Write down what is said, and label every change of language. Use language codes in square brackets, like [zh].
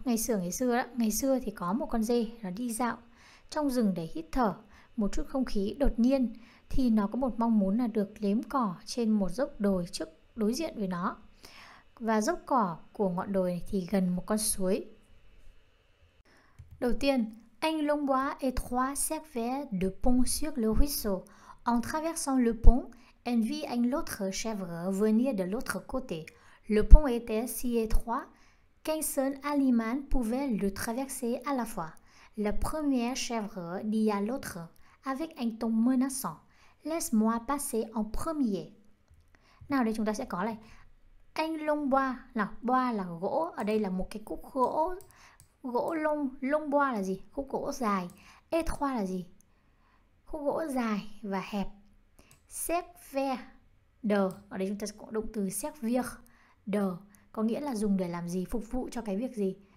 [vi] Ngày xưa thì có một con dê nó đi dạo trong rừng để hít thở một chút không khí. Đột nhiên thì nó có một mong muốn là được liếm cỏ trên một dốc đồi trước đối diện với nó. Và dốc cỏ của ngọn đồi này thì gần một con suối. Đầu tiên, [fr] un long bois étroit servait de pont sur le ruisseau. En traversant le pont, elle vit un autre chèvre venir de l'autre côté. Le pont était si étroit qu'un seul animal pouvait le traverser à la fois. La première chèvre dit à l'autre avec un ton menaçant: Laisse-moi passer en premier. [vi] Nào đây chúng ta sẽ có này. Anh long boa, là boa là gỗ, ở đây là một cái khúc gỗ. Gỗ long, long boa là gì? Khúc gỗ dài. Étroit là gì? Khúc gỗ dài và hẹp. Servir de, ở đây chúng ta sẽ có động từ servir de, có nghĩa là dùng để làm gì, phục vụ cho cái việc gì.